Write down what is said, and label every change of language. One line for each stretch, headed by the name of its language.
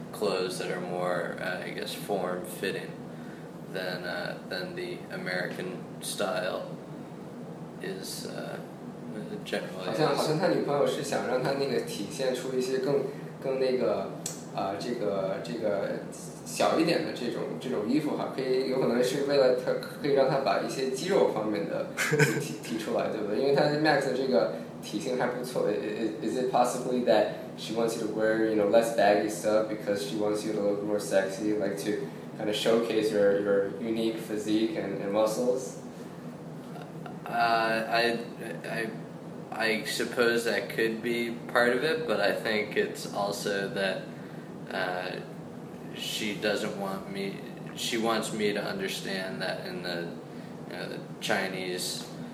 English: Clothes that are more, I guess, form-fitting than the American style is generally.
Chinese: 好像好像他女朋友是想让他那个体现出一些更那个这个小一点的这种衣服哈，可以有可能是为了他可以让他把一些肌肉方面的提出来，对不对？因为他 Max 的这个体型还不错。
English: Is it possibly that? She wants you to wear, you know, less baggy stuff because she wants you to look more sexy, like to kind of showcase your unique physique and muscles. I suppose that could be part of it, but I think it's also that she doesn't want me, she wants me to understand that in the, you know, the Chinese